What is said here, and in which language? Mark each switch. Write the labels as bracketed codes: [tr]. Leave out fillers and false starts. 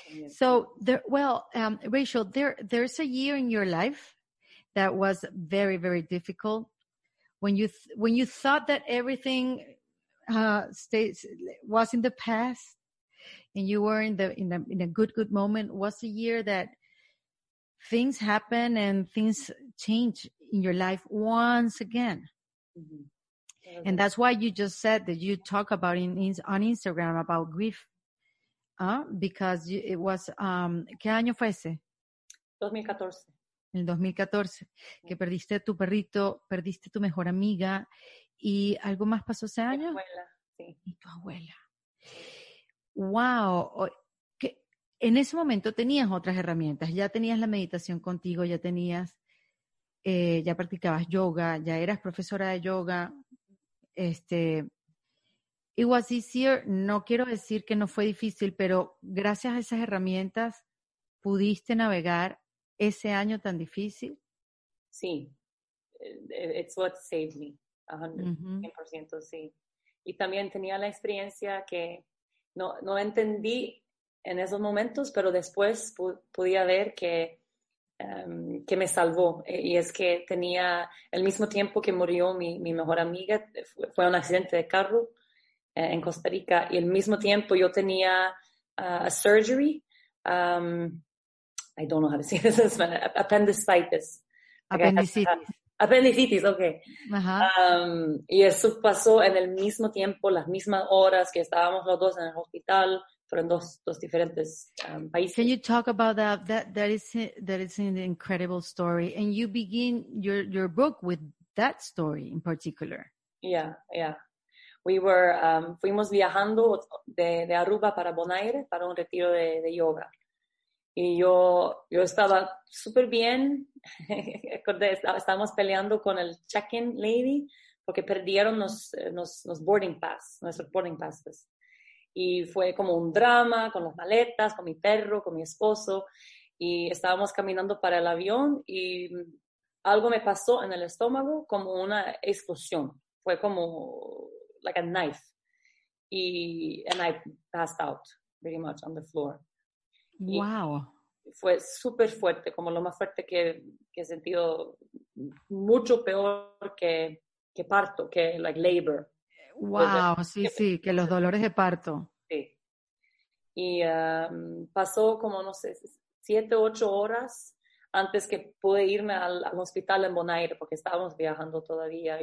[en] So Rachel, there's a year in your life that was very, very difficult when you thought that everything stays was in the past and you were in a good moment. Was a year that things happen and things change in your life once again. Mm-hmm. And that's why you just said that you talk about on Instagram about grief. Because it was, [es] ¿qué año fue ese? 2014. El 2014. Mm-hmm. Que perdiste tu perrito, perdiste tu mejor amiga. ¿Y algo más pasó ese año? Mi abuela, sí. Y tu abuela. Wow. En ese momento tenías otras herramientas, ya tenías la meditación contigo, ya tenías, ya practicabas yoga, ya eras profesora de yoga. [en] It was easier, [es] no quiero decir que no fue difícil, pero gracias a esas herramientas pudiste navegar ese año tan difícil. Sí, [en] it's what saved me, 100%, uh-huh. [es] Sí. Y también tenía la experiencia que no entendí en esos momentos, pero después podía ver que me salvó. Y es que tenía, el mismo tiempo que murió mi mejor amiga, fue un accidente de carro en Costa Rica, y el mismo tiempo yo tenía [en] a surgery, I don't know how to say this, appendicitis. [es] Apendicitis, okay. Y eso pasó en el mismo tiempo, las mismas horas que estábamos los dos en el hospital, pero en dos diferentes países. [en] Can you talk about that? That is an incredible story. And you begin your book with that story in particular. Yeah. We were, [es] fuimos viajando de Aruba para Bonaire para un retiro de yoga. Y yo estaba súper bien. Estábamos peleando con el check-in lady porque perdieron los boarding pass, nuestros boarding passes. Y fue como un drama con las maletas, con mi perro, con mi esposo. Y estábamos caminando para el avión y algo me pasó en el estómago como una explosión. Fue como [en] like a knife. And I passed out pretty much on the floor. Wow. [es] Y fue súper fuerte, como lo más fuerte que he sentido, mucho peor que que parto, que [en] like labor. [es] Wow, entonces, sí, sí, que los dolores de parto. Sí. Y pasó como, no sé, 7, 8 horas antes que pude irme al hospital en Bonaire, porque estábamos viajando todavía.